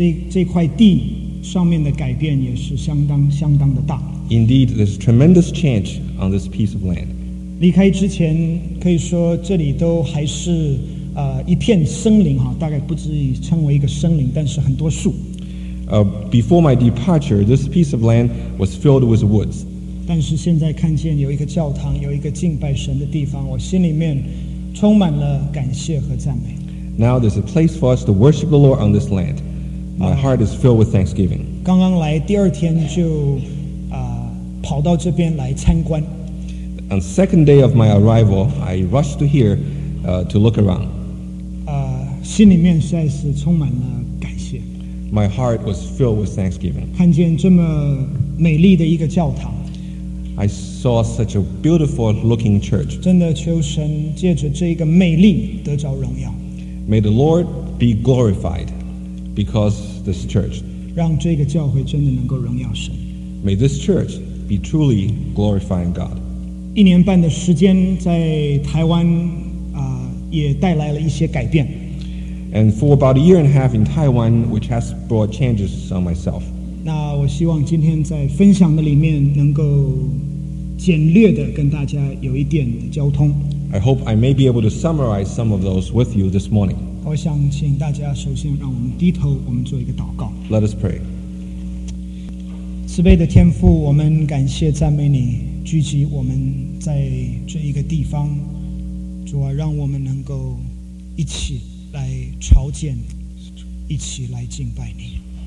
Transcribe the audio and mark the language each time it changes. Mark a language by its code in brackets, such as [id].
[zh] 这块地上面的改变也是相当的大。 [en] Indeed, there's tremendous change on this piece of land. [zh] 离开之前可以说这里都还是一片森林哈，大概不至于称为一个森林，但是很多树。 [en] Before my departure, this piece of land was filled with woods. [zh] 但是现在看见有一个教堂，有一个敬拜神的地方，我心里面充满了感谢和赞美。 [en] Now there's a place for us to worship the Lord on this land. My heart is filled with thanksgiving. [zh] 刚刚来第二天就跑到这边来参观。 [en] On the second day of my arrival, I rushed to here to look around. [zh] 心里面实在是充满了感谢。 [en] My heart was filled with thanksgiving. [zh] 看见这么美丽的一个教堂。 [en] I saw such a beautiful looking church. [zh] 真的求神借着这个美丽得着荣耀。 [en] May the Lord be glorified because this church. [zh] 让这个教会真的能够荣耀神。 [en] May this church be truly glorifying God. [zh] 一年半的时间在台湾也带来了一些改变。 [en] And for about a year and a half in Taiwan, which has brought changes on myself. [zh] 那我希望今天在分享的里面能够简略的跟大家有一点交通。 [en] I hope I may be able to summarize some of those with you this morning. [zh] 我想请大家首先让我们低头，我们做一个祷告。 [en] Let us pray. [zh] 慈悲的天父，我们感谢赞美你。聚集我们在这一个地方，主啊，让我们能够一起来朝见，一起来敬拜你。